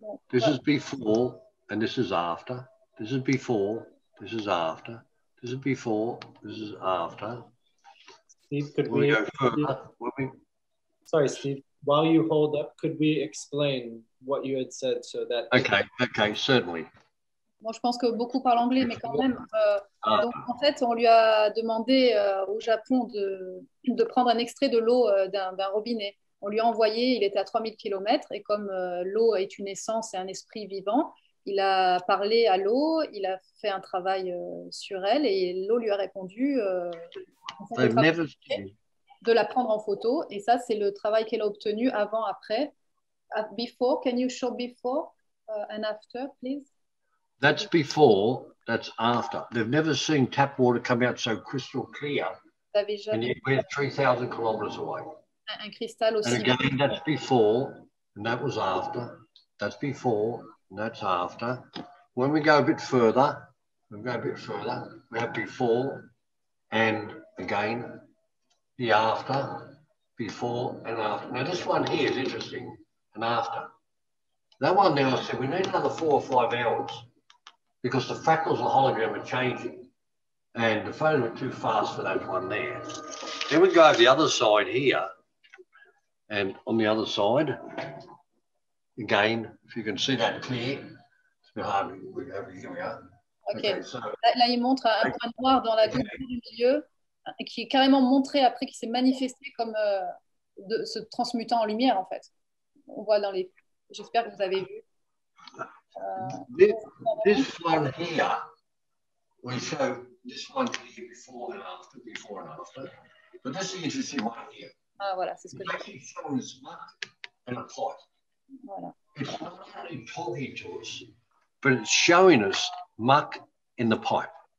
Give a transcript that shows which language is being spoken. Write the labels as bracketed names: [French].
[English] This is before and this is after. This is before, this is after. This is before, this is after. Steve, could we go further? Sorry, Steve, while you hold up, could we explain what you had said so that... Okay, certainly. [French] Moi, je pense que beaucoup parlent anglais, mais quand même. Donc, en fait, on lui a demandé au Japon de prendre un extrait de l'eau d'un robinet. On lui a envoyé, il était à 3000 km, et comme l'eau est une essence et un esprit vivant, il a parlé à l'eau, il a fait un travail sur elle, et l'eau lui a répondu de la prendre en photo. Et ça, c'est le travail qu'elle a obtenu avant, après. [English] Before, can you show before and after, please? That's before, that's after. They've never seen tap water come out so crystal clear. And yet we're 3,000 kilometers away. [French] Un cristal aussi. [English] And again, that's before, and that was after. That's before, and that's after. When we go a bit further, we have before, and again, the after, before, and after. Now, this one here is interesting, and after. That one there, I said, we need another 4 or 5 hours. Because the fractals of the hologram are changing and the photos were too fast for that one there. Then we go over the other side here and on the other side, again, if you can see that clear, it's a bit hard, Okay, so. [French] Là, il montre un point noir dans la gueule du milieu qui est carrément montré après, qui s'est manifesté comme se transmutant en lumière, en fait. On voit dans les... J'espère que vous avez vu. [English] This one here, we show this one here before and after, but this is the interesting one here. It's actually showing us muck in a pipe. Voilà. It's not only talking to us, but it's showing us muck in the pipe.